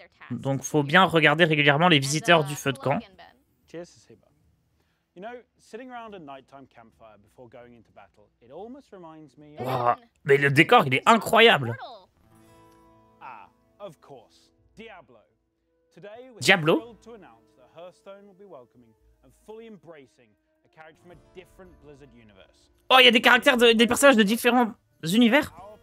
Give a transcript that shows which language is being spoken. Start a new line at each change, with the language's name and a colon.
French: Donc, faut bien regarder régulièrement les visiteurs du feu de camp.
English: Cheers, Saseba. You know, sitting around a nighttime campfire before going into battle, it almost reminds me.
French: Waouh, mais le décor, il est incroyable.
English: Ah, of course, Diablo. Today, we're thrilled to announce that Hearthstone will be welcoming and fully embracing a character from a different Blizzard universe.
French: Oh, il y a des personnages de différents univers.